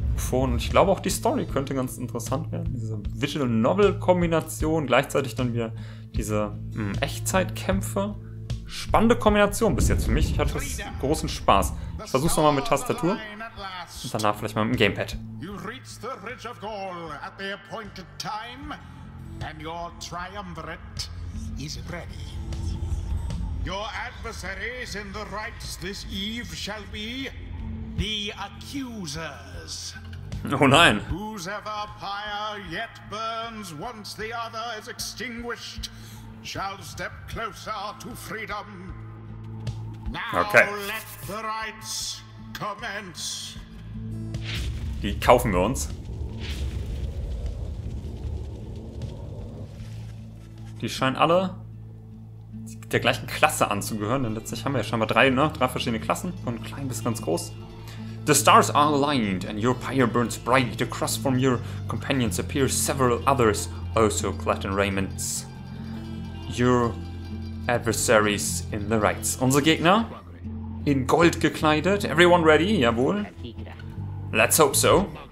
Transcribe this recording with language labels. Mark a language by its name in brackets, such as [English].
[German] Und ich glaube auch die Story könnte ganz interessant werden, diese Visual-Novel-Kombination, gleichzeitig dann wieder diese Echtzeitkämpfe. Spannende Kombination bis jetzt für mich, ich hatte großen Spaß. Ich versuch's nochmal mit Tastatur und danach vielleicht mal mit dem Gamepad. [English] You reach the ridge of Gaul at the appointed time and your triumvirate is ready. Your adversaries in the rites this eve shall be the accusers. [German] Oh nein. [English] Whosoever pyre yet burns once the other is extinguished shall step closer to freedom. Now okay. Let the rites commence. [German] Die kaufen wir uns. Die scheinen alle der gleichen Klasse anzugehören, denn letztlich haben wir ja scheinbar drei, ne? Drei verschiedene Klassen, von klein bis ganz groß. [English] The stars are aligned and your pyre burns bright. Across from your companions appear several others, also clad in raiments. Your adversaries in the rites. [German] Unsere Gegner? In Gold gekleidet. [English] Everyone ready? [German] Jawohl. [English] Let's hope so.